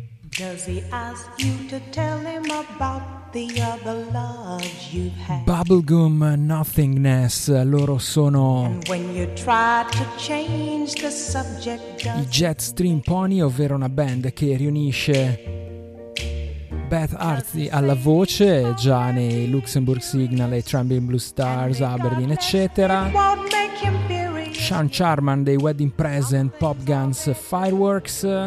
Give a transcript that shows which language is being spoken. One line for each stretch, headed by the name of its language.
English: Jersey asked you to tell him about the other loves you've had.
Italian: Bubblegum Nothingness, loro sono.
English: And when you try to change the subject,
Italian: i Jetstream Pony, ovvero una band che riunisce Beth Arthi alla voce, già nei Luxembourg Signal e Trembling Blue Stars, Aberdeen, eccetera. Sean Charman dei Wedding Present, Pop Guns, Fireworks.